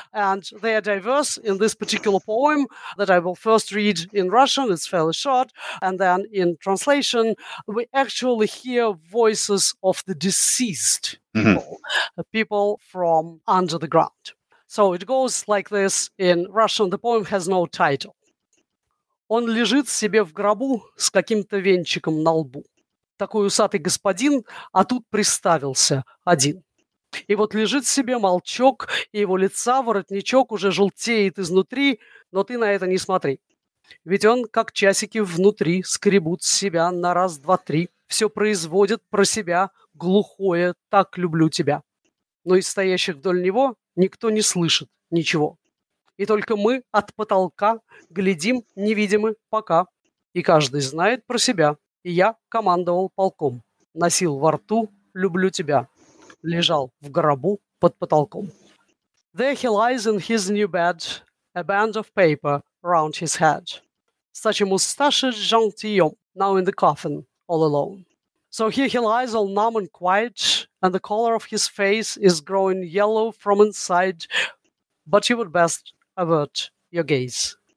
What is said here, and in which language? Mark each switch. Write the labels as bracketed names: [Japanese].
[English] And they are diverse in this particular poem that I will first read in Russian. It's fairly short. And then in translation, we actually hear voices of the deceased people from under the ground. So it goes like this in Russian. The poem has no title. [Russian] Он лежит себе в гробу с каким-то венчиком на лбу. Такой усатый господин, а тут приставился один. И вот лежит себе молчок, и его лица воротничок уже желтеет изнутри, но ты на это не смотри. Ведь он, как часики внутри, скребут себя на раз, два, три. Все производит про себя глухое «так люблю тебя». Но из стоящих вдоль него никто не слышит ничего. И только мы от потолка глядим невидимы пока. И каждый знает про себя. И я командовал полком. Носил во рту «люблю тебя». Лежал в гробу под потолком. [English] There he lies in his new bed, a band of paper round his head. Such a moustache gentilhomme, now in the coffin, all alone. So here he lies all numb and quiet, and the color of his face is growing yellow from inside, but you would best avert your gaze.